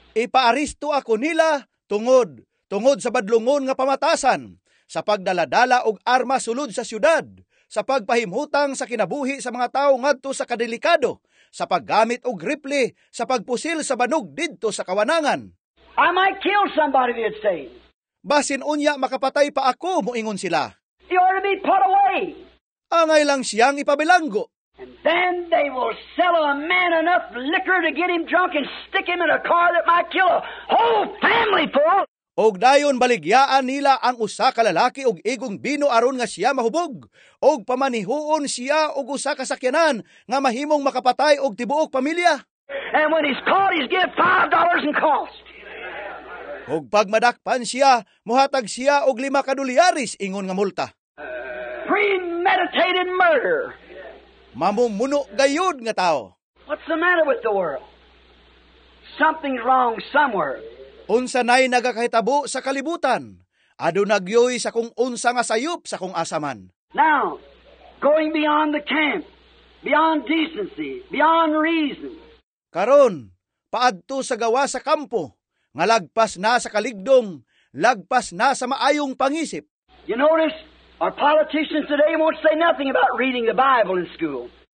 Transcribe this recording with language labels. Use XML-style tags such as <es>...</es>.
<ceb>Ipaaristo ako nila tungod sa badlungon nga pamatasan, sa pagdala-dala og arma sulod sa syudad, sa pagpahimutang sa kinabuhi sa mga tawo ngadto sa kadelikado, sa paggamit og riple, sa pagpusil sa banog didto sa kawanangan.</ceb> <en>I might kill somebody, they'd say.</en> <ceb>Basin unya makapatay pa ako, moingon sila.</ceb> <en>You ought to be put away.</en> <ceb>Angay lang siyang ipabilanggo.</ceb> <en>And then they will sell a man enough liquor to get him drunk and stick him in a car that might kill a whole family for.</en> <ceb>Og dayon baligyaan nila ang usa ka lalaki og igong bino aron nga siya mahubog og pamanihuon siya og usa ka sakyanan nga mahimong makapatay og tibuok pamilya.</ceb> <en>And when he's caught, he's given $5 in cost.</en> <ceb>Og pagmadakpan siya, muhatag siya og 5 dolyaris ingon nga multa.</ceb> <en>Premeditated murder.</en> <ceb>Mamumuno gayud nga tao.</ceb> <en>What's the matter with the world? Something's wrong somewhere.</en> <ceb>Unsa nay nagakahitabo sa kalibutan? Aduna gyoy sa kung unsa nga sayop sa kung asa man.</ceb> <en>Now, going beyond the camp, beyond decency, beyond reason.</en> <ceb>Karon, paadto sa gawa sa kampo, nga lagpas na sa kaligdong, lagpas na sa maayong pangisip.</ceb> <en>You notice, our politicians today won't say nothing about reading the Bible in school.</en>